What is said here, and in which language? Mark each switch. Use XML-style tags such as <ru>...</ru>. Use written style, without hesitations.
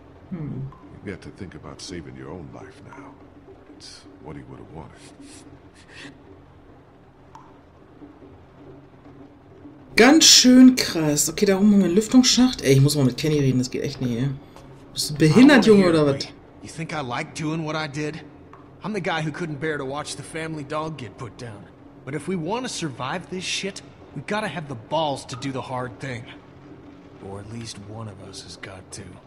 <en>You have to think about saving your own life now. It's what he would have wanted.</en> <de>Ganz schön krass. Okay, da oben haben wir einen Lüftungsschacht. Ey, ich muss mal mit Kenny reden, das geht echt nicht, ey. Bist du behindert, Junge, oder was?</de> <en>You think I like doing what I did? I'm the guy who couldn't bear to watch the family dog get put down. But if we want to survive this shit, we gotta have the balls to do the hard thing. Or at least one of us has got to.</en>